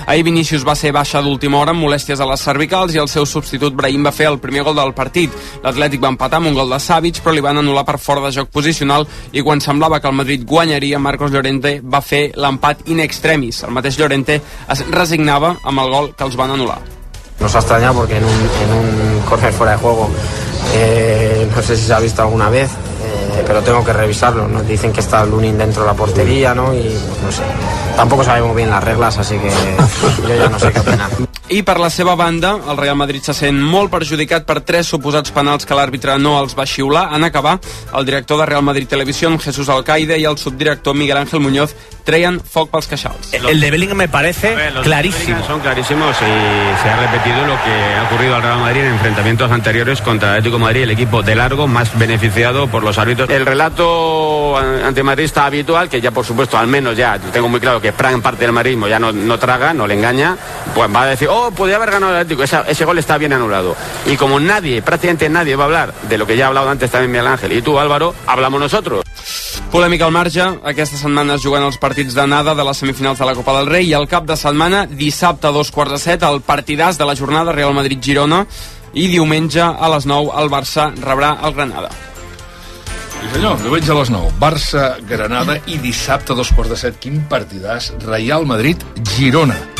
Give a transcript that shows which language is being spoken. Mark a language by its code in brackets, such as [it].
[ca] Ahir Vinícius va ser baixa d'última hora amb molèsties a les cervicals i el seu substitut Brahim va fer el primer gol del partit. L'Atlètic va empatar amb un gol de Savic però li van anul·lar per fora de joc posicional i quan semblava que el Madrid guanyaria Marcos Llorente va fer l'empat in extremis. El mateix Llorente es resignava amb el gol que els van anul·lar. [es] Nos ha extrañado porque en un córner fuera de juego no sé si se ha visto alguna vez pero tengo que revisarlo. Nos dicen que está Lunin dentro de la portería, ¿no? Y pues, no sé. Tampoco sabemos bien las reglas, así que yo ya no sé qué opinar. [ca] I per la seva banda, el Real Madrid se sent molt perjudicat per 3 suposats penals que l'àrbitre no els va xiular. En acabar, el director de Real Madrid Televisión, Jesús Alcaide, i el subdirector Miguel Ángel Muñoz treien foc pels queixals. [es] El de Bellingham me parece clarísimo. Son clarísimos y se ha repetido lo que ha ocurrido al Real Madrid en enfrentamientos anteriores contra Atlético Madrid, el equipo de largo más beneficiado por los árbitros. El relato antimadrista habitual, que ya por supuesto, al menos ya tengo muy claro que Frank parte del madridismo ya no traga, no le engaña, pues va a decir podía haber ganado el Atlético, ese gol está bien anulado. Y como nadie, prácticamente nadie va a hablar de lo que ya ha hablado antes también Miguel Ángel y tú Álvaro, hablamos nosotros. [ca] Polèmica al marge, aquesta setmana es juguen els partits d'anada de les semifinals de la Copa del Rei i el cap de setmana, dissabte a 6:45, el partidàs de la jornada Real Madrid-Girona i diumenge a 9:00 el Barça rebrà el Granada. Sí senyor, diumenge a 9:00, Barça-Granada i dissabte a 6:45, quin partidàs Real Madrid-Girona.